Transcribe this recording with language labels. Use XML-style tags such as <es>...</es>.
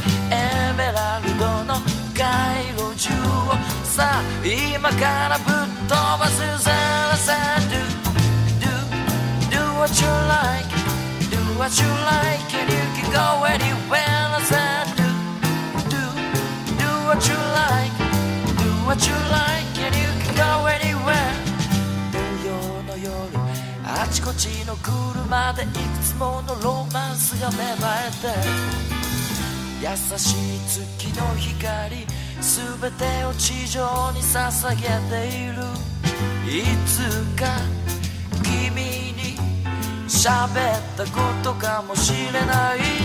<ja>エメラルドの街路樹をさあ今からぶっ飛ばすぜ。</ja> <en>I said do, do, do what you likeDo what you like and you can go anywhere. I said do, do, do what you like. Do what you like and you can go anywhere.</en> <ja>土曜の夜、あちこちの車でいくつものロマンスが芽生えて、優しい月の光全てを地上に捧げている。いつか君に喋ったことかもしれない。</ja>